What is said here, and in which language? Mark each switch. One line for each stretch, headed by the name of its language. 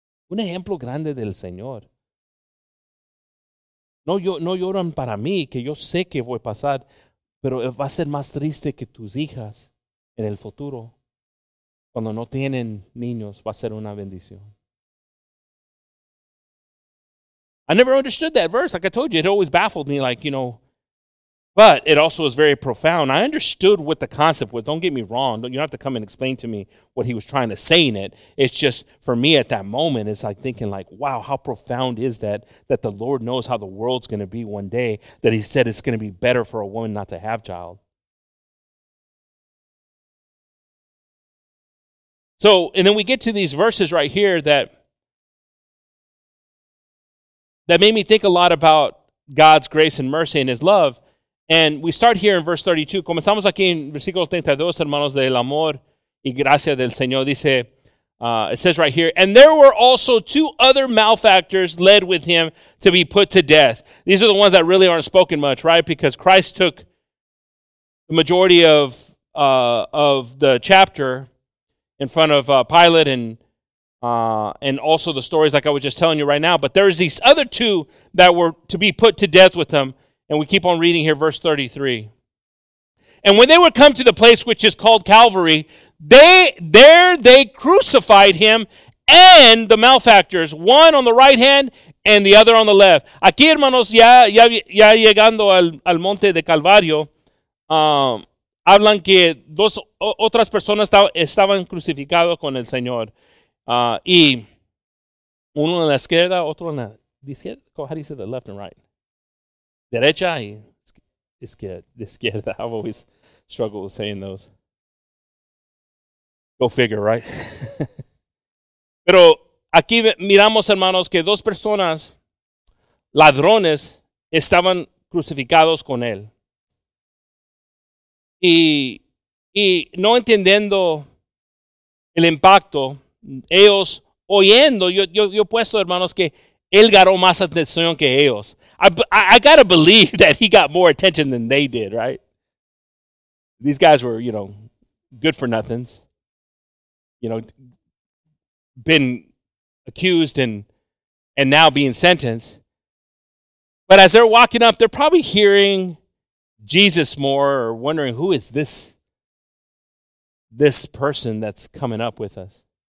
Spanish: Un ejemplo grande del Señor. No lloran para mí, que yo sé que voy a pasar, pero va a ser más triste que tus hijas en el futuro. Cuando no tienen niños, va a ser una bendición.
English: I never understood that verse. Like I told you, it always baffled me, like, you know, but it also is very profound. I understood what the concept was. Don't get me wrong. You don't have to come and explain to me what he was trying to say in it. It's just for me at that moment, it's like thinking like, wow, how profound is that? That the Lord knows how the world's going to be one day. That he said it's going to be better for a woman not to have child. So, and then we get to these verses right here that made me think a lot about God's grace and mercy and his love. And we start here in verse 32.
Spanish: Comenzamos aquí en versículo 32, hermanos, del amor y gracia del Señor. Dice,
English: it says right here, and there were also two other malefactors led with him to be put to death. These are the ones that really aren't spoken much, right? Because Christ took the majority of the chapter in front of Pilate and also the stories like I was just telling you right now. But there is these other two that were to be put to death with him. And we keep on reading here, verse 33. And when they were come to the place which is called Calvary, there they crucified him and the malefactors, one on the right hand and the other on the left.
Spanish: Aquí, hermanos, ya llegando al monte de Calvario, hablan que dos otras personas estaban crucificados con el Señor. Y uno en la izquierda, otro en la izquierda.
English: How do you say the left and right?
Spanish: Derecha y izquierda.
English: I've always struggled with saying those. Go figure, right?
Spanish: Pero aquí miramos, hermanos, que dos personas, ladrones, estaban crucificados con él. Y no entendiendo el impacto, ellos oyendo, yo he puesto, hermanos, que él ganó más atención que ellos.
English: I got to believe that he got more attention than they did, right? These guys were, you know, good for nothings. You know, been accused and now being sentenced. But as they're walking up, they're probably hearing Jesus more or wondering, who is this person that's coming up with us?